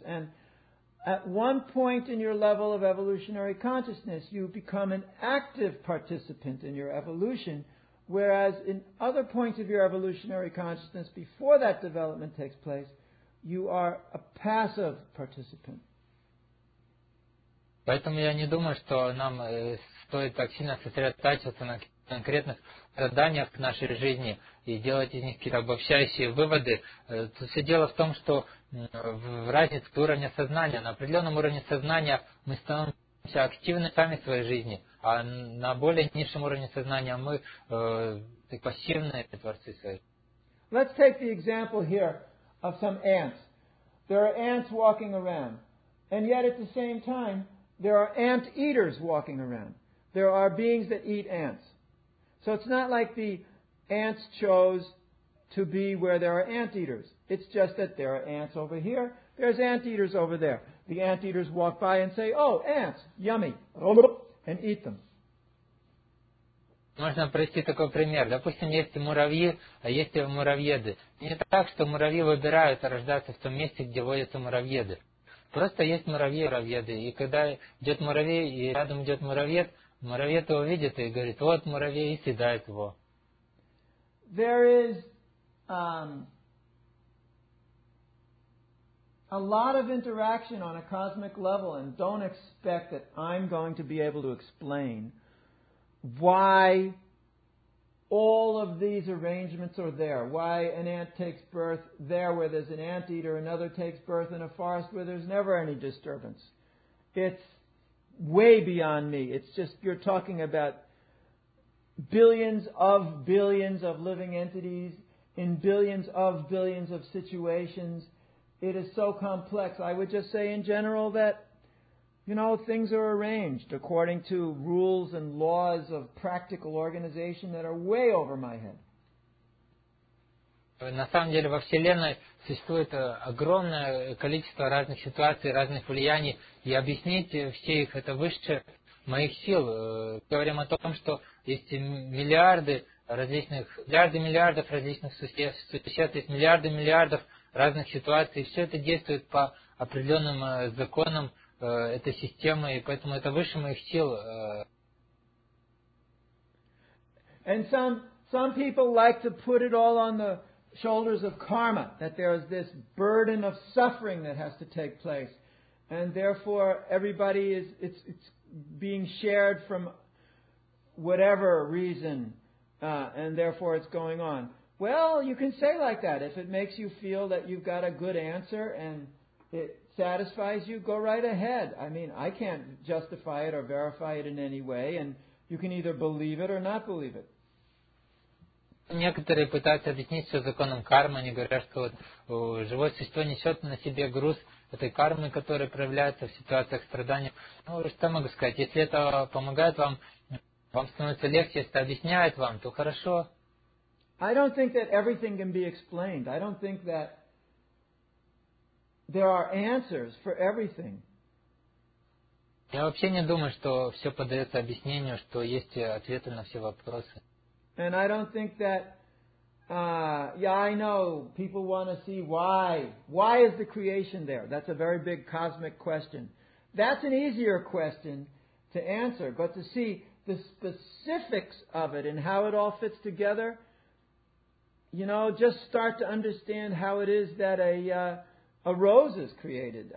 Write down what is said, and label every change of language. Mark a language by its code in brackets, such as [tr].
[en] And at one point in your level of evolutionary consciousness, you become an active participant in your evolution, whereas in other points of your evolutionary consciousness, before that development takes place, you are a passive participant. [ru] Поэтому я не думаю, что нам стоит так сильно сосредотачиваться на конкретных страданиях в нашей жизни и делать из них какие-то обобщающие выводы. Тут все дело в том, что в разнице уровня сознания. На определенном уровне сознания мы становимся активны сами в своей жизни, а на более низшем уровне сознания мы пассивные творцы своей жизни. [en] Let's take the example here of some ants. There are ants walking around, and yet at the same time, there are ant eaters walking around. There are beings that eat ants. So it's not like the ants chose to be where there are ant eaters. It's just that there are ants over here, there's ant eaters over there. The ant eaters walk by and say, "Oh, ants, yummy," and eat them. [ru] Можно привести такой пример. Допустим, есть муравьи, а есть муравьеды. Не так, что муравьи выбирают рождаться в том месте, где водятся муравьеды. Просто есть муравьи и муравьеды. И когда идет муравей, и рядом идет муравьед, муравьед его видит и говорит, вот муравей, и съедает его. [en] There is a lot of interaction on a cosmic level, and don't expect that I'm going to be able to explain why all of these arrangements are there, why an ant takes birth there where there's an anteater, another takes birth in a forest where there's never any disturbance. It's way beyond me. It's just you're talking about billions of living entities in billions of situations. It is so complex. I would just say in general that, you know, things are arranged according to rules and laws of practical organization that are way over my head. [ru] На самом деле во Вселенной существует огромное количество разных ситуаций, разных влияний, и объяснить все их это выше моих сил. Говорим о том, что есть миллиарды миллиардов различных существ, есть миллиардов разных ситуаций, и все это действует по определенным законам этой системы, и поэтому это выше моих сил. [en] And some people like to put it all on the shoulders of karma, that there is this burden of suffering that has to take place, and therefore everybody is it's being shared from whatever reason, and therefore it's going on. Well, you can say like that. If it makes you feel that you've got a good answer and it satisfies you, go right ahead. I mean, I can't justify it or verify it in any way, and you can either believe it or not believe it. [ru] Некоторые пытаются объяснить все законом кармы. Они говорят, что вот, живое существо несет на себе груз этой кармы, которая проявляется в ситуациях страдания. Ну, что я могу сказать? Если это помогает вам, вам становится легче, если это объясняет вам, то хорошо. [en] I don't think that everything can be explained. I don't think that there are answers for everything. [ru] Я вообще не думаю, что все поддается объяснению, что есть ответы на все вопросы. [en] And I don't think that, I know people want to see why. Why is the creation there? That's a very big cosmic question. That's an easier question to answer, but to see the specifics of it and how it all fits together, you know, just start to understand how it is that a rose is created.